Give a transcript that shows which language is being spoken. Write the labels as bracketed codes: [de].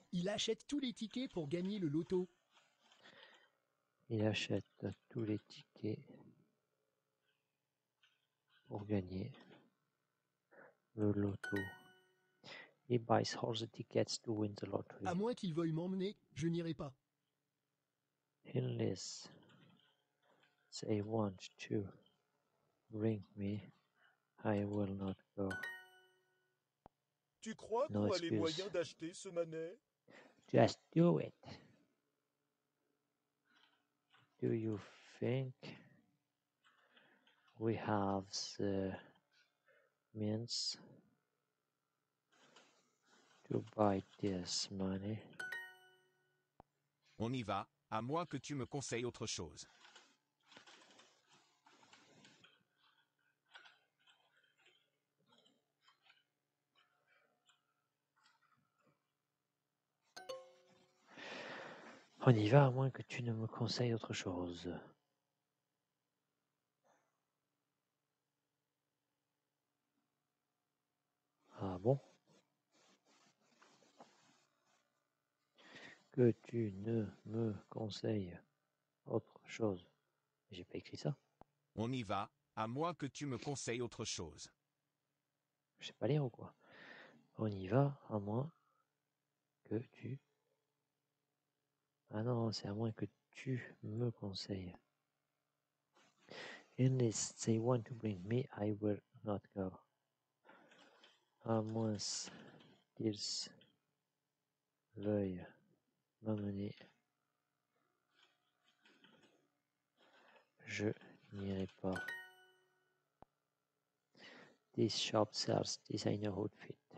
[fr] Il achète tous les tickets pour gagner le loto. Il achète tous les tickets pour gagner le loto. [en] He buys all the tickets to win the lottery. [fr] À moins qu'il veuille m'emmener, je n'irai pas. [en] Unless they want to bring me, I will not go. [fr] Tu crois qu'on a les moyens d'acheter ce manet? [en] Just do it. Do you think we have the means to buy this money? [fr] On y va, à moins que tu me conseilles autre chose. On y va, à moins que tu ne me conseilles autre chose. Ah bon? Que tu ne me conseilles autre chose. J'ai pas écrit ça. On y va, à moins que tu me conseilles autre chose. Je sais pas lire ou quoi. On y va, à moins que tu... Ah non, c'est à moins que tu me conseilles. [en] Unless they want to bring me, I will not go. [fr] À moins qu'ils veuillent m'amener, je n'irai pas. [en] This shop sells designer outfit.